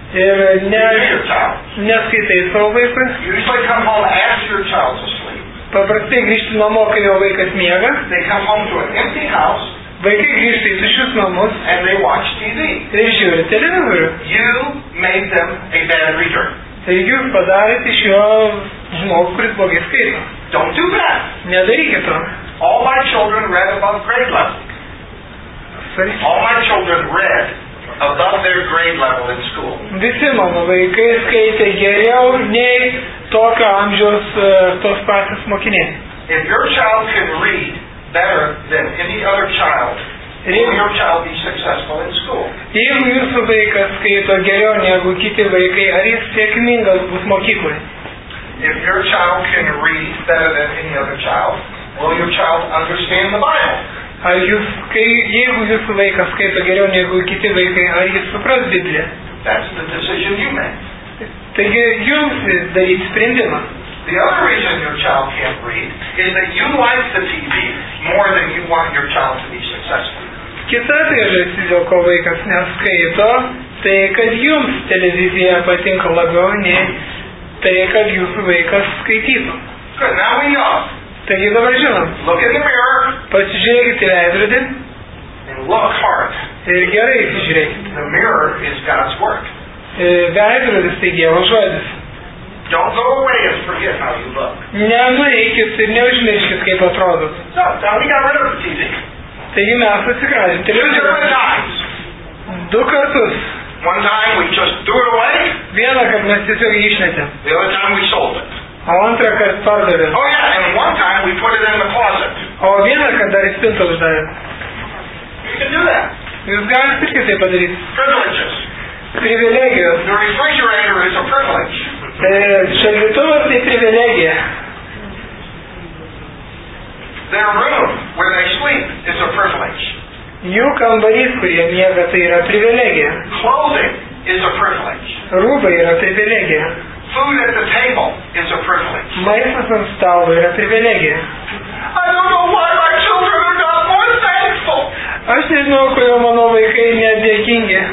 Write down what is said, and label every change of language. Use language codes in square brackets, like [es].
[lt] Ir neskaitai savo vaikui. [en] You usually come home after your child's asleep. [lt] Paprastai grįžti namo, kai jo vaikas miega. [en] They come home to an empty house. [lt] Vaikai grįžti į tuščius namus. [en] And they watch TV. [lt] Ir žiūri televizorių. [en] You made them a bad reader. [lt] Tai jūs padarėte iš jo žmogų, kuris blogai skaito. [en] Don't do that. [lt] Nedarykite to. [en] All my children read above grade level. Sorry. All my children read above their grade level in school. [lt] Visi mano vaikai skaitė geriau nei tokio amžiaus tos patys mokiniai. [en] If your child can read better than any other child, will your child be successful in school? [lt] Jeigu jūsų vaikas skaito geriau negu kiti vaikai, ar jis sėkmingas bus mokykloje? [en] If your child can read better than any other child, will your child understand the Bible? [lt] Ar jūs, kai, jeigu jūsų vaikas skaito geriau negu kiti vaikai, ar jis supras Bibliją? [en] That's the decision you made. [lt] Taigi jums daryti sprendimą. [en] The other reason your child can't read is that you like the TV more than you want your child to be successful. [lt] Kita priežastis, dėl ko vaikas neskaito, tai kad jums televizija patinka labiau, nei tai kad jūsų vaikas skaitytų. [en] Good, now we know. [lt] Taigi dabar žinom. [en] Look in the mirror. [lt] Pasižiūrėkite į veidrodį. [en] And look hard. [lt] Ir gerai pasižiūrėkite. [en] The mirror is God's work. [lt] Veidrodis tai Dievo žodis. [en] Don't go away and forget how you look. [lt] Nenueikit ir neužmirškit, kaip atrodot. [en] So, now we got rid of the TV. [lt] Taigi mes atsikradėm televizorių. Du kartus. [en] One time we just threw it away. [lt] Vieną kartą mes tiesiog jį išmetėm. [en] The other time we sold it. [lt] O antrą kartą pardavėm. [en] Oh yeah, and one time we put it in the closet. [lt] O vieną kartą dar į spintą uždarėm. [en] You can do that. [lt] Jūs galite irgi tai padaryti. [en] Privileges. [lt] Privilegijos. [en] The refrigerator is a privilege. [lt] Šaldytuvas tai privilegija. [en] Their room where they sleep is a privilege. [lt] Jų kambarys, kur jie miega, tai yra privilegija. [en] Clothing is a privilege. [lt] Rūbai yra privilegija. [en] Food at the table is a privilege. [lt] Maistas ant stalo yra privilegija. [en] I don't know why my children are not more thankful. [lt] Aš nežinau, kodėl mano vaikai nedėkingi.